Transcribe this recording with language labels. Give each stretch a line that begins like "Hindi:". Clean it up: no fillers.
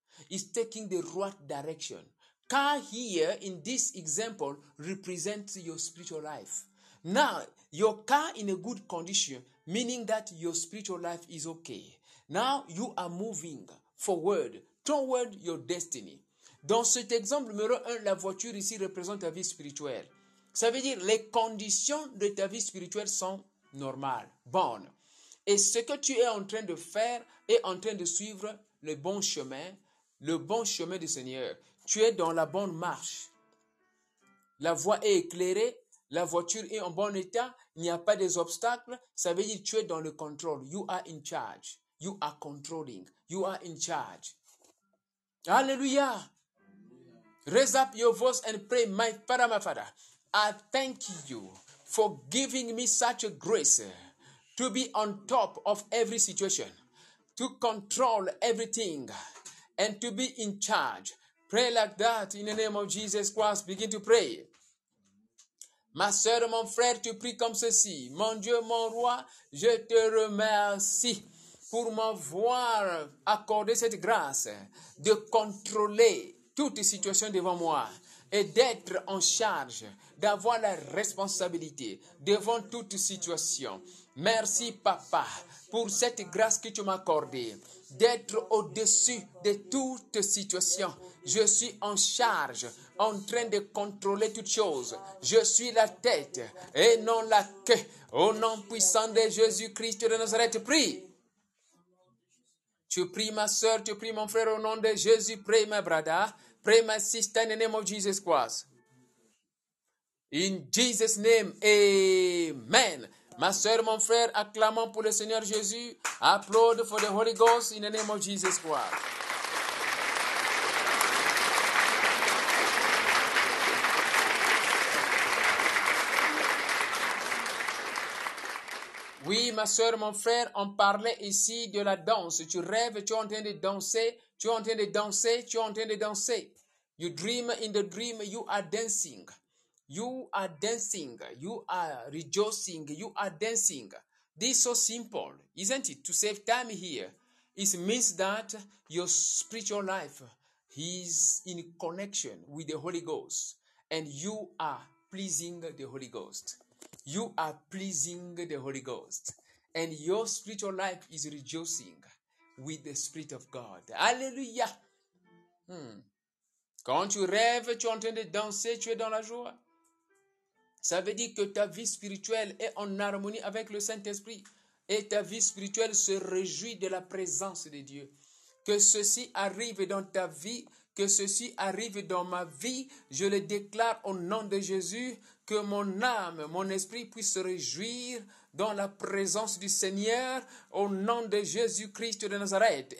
English: It's taking the right direction. Car here, in this example, represents your spiritual life. Now, your car in a good condition, meaning that your spiritual life is okay. Now, you are moving forward toward your destiny.
French: Dans cet exemple numéro 1, la voiture ici représente ta vie spirituelle. Ça veut dire les conditions de ta vie spirituelle sont normales, bonnes. Et ce que tu es en train de faire est en train de suivre le bon chemin du Seigneur. Tu es dans la bonne marche. La voie est éclairée, la voiture est en bon état, il n'y a pas d'obstacles. Ça veut dire que tu es dans le contrôle.
English: You are in charge. You are controlling. You are in charge. Alléluia! Raise up your voice and pray, my Father, my Father. I thank you for giving me such a grace to be on top of every situation, to control everything, and to be in charge. Pray like that in the name of Jesus Christ. Begin to pray.
French: Ma soeur, mon frère, tu pries comme ceci. Mon Dieu, mon roi, je te remercie pour m'avoir accordé cette grâce de contrôler toute situation devant moi et d'être en charge, d'avoir la responsabilité devant toute situation. Merci, Papa, pour cette grâce que tu m'as accordée, d'être au-dessus de toute situation. Je suis en charge, en train de contrôler toutes choses. Je suis la tête et non la queue. Au nom puissant de Jésus-Christ de Nazareth, prie. Tu pries, ma soeur, tu pries, mon frère, au nom de Jésus, prie, ma brada.
English: Pray, my sister, in the name of Jesus Christ. In Jesus' name, amen.
French: Ma soeur, mon frère, acclamons pour le Seigneur Jésus.
English: Applaud for the Holy Ghost in the name of Jesus Christ.
French: Oui, ma soeur, mon frère, on parlait ici de la danse. Tu rêves, tu es en train de danser, tu es en train de danser, tu es en train de danser.
English: You dream in the dream, you are dancing. You are dancing, you are rejoicing, you are dancing. This is so simple, isn't it? To save time here, it means that your spiritual life is in connection with the Holy Ghost. And you are pleasing the Holy Ghost. You are pleasing the Holy Ghost. And your spiritual life is rejoicing with the Spirit of God. Alléluia!
French: Quand tu rêves, tu es en train de danser, tu es dans la joie. Ça veut dire que ta vie spirituelle est en harmonie avec le Saint-Esprit. Et ta vie spirituelle se réjouit de la présence de Dieu. Que ceci arrive dans ta vie, que ceci arrive dans ma vie, je le déclare au nom de Jésus, que mon âme, mon esprit puisse se réjouir dans la présence du Seigneur, au nom de Jésus-Christ de Nazareth.